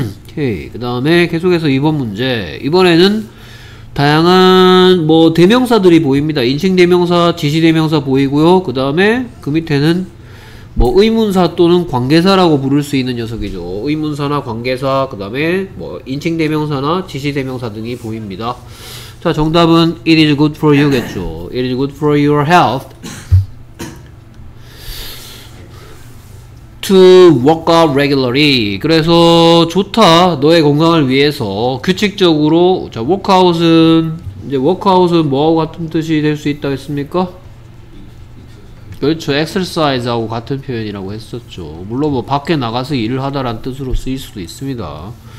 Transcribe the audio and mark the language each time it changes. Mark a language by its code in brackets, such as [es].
[ko] 오케이, 그 다음에 계속해서 2번 문제. 이번에는 다양한 뭐 대명사들이 보입니다. 인칭 대명사, 지시 대명사 보이고요. 그 다음에 그 밑에는 뭐 의문사 또는 관계사라고 부를 수 있는 녀석이죠. 의문사나 관계사, 그 다음에 뭐 인칭 대명사나 지시 대명사 등이 보입니다. 자, 정답은 [en] It is good for you [ko] 겠죠. [en] It is good for your health to work out regularly. [ko] 그래서 좋다, 너의 건강을 위해서 규칙적으로. 자, workout은 이제 workout은 뭐하고 같은 뜻이 될 수 있다고 했습니까? 그렇죠, exercise하고 같은 표현이라고 했었죠. 물론 뭐 밖에 나가서 일을 하다라는 뜻으로 쓰일 수도 있습니다.